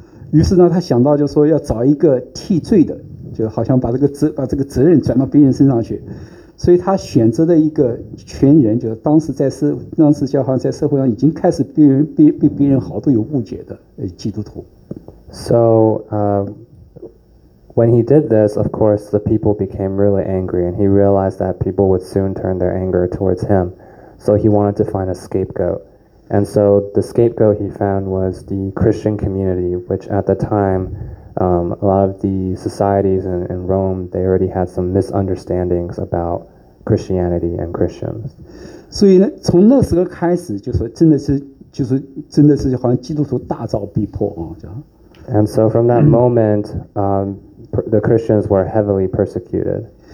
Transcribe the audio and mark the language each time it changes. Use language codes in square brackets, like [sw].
[zh] 于是呢他想到就是说要找一个替罪的，就好像把这个责任转到别人身上去，所以他选择了一个权人，就是当时教皇在社会上已经开始被别人好多有误解的基督徒。 [en] So when he did this, of course the people became really angry and he realized that people would soon turn their anger towards him, so he wanted to find a scapegoat. And so the scapegoat he found was the Christian community, which at the time, a lot of the societies in Rome, they already had some misunderstandings about Christianity and Christians. [zh] 所以呢，从那时候开始，就是真的是好像基督徒大遭逼迫 [en] And so from that moment, the Christians were heavily persecuted.